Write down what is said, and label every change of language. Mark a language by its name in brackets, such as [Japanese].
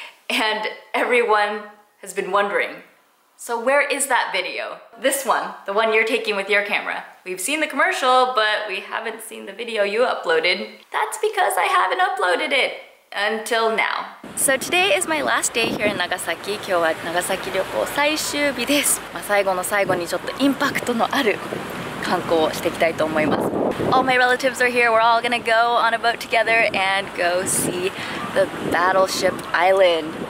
[English] And everyone has been wondering, so where is that video? This one, the one you're taking with your camera. We've seen the commercial, but we haven't seen the video you uploaded. That's because I haven't uploaded it until now. So today is my last day here in Nagasaki. [Japanese] 今日は長崎旅行最終日です。まあ、最後の最後にちょっとインパクトのある観光をしていきたいと思います。 [English] All my relatives are here. We're all gonna go on a boat together and go see the Battleship Island.